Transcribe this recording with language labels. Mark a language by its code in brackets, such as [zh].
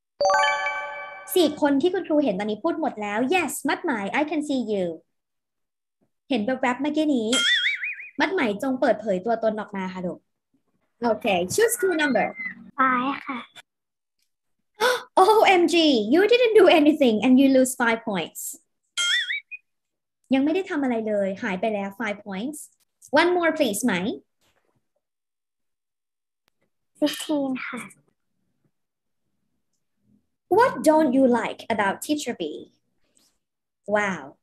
[th] 4คนที่คุณครูเห็นตอนนี้พูดหมดแล้ว [en] Yes, [th] มัดหมาย [en] I can see you. [th] เห็นแบบแบบเมื่อกี้นี้มัดไหมจงเปิดเผยตัวตนออกมาค่ะลูกโอเค [en] choose two number five ค่ะ OMG, you didn't do anything and you lose 5 points. [th] ยังไม่ได้ทำอะไรเลยหายไปแล้ว [en] 5 points. One more please, ไหม [th] 15ค่ะ [en] What don't you like about teacher B? Wow.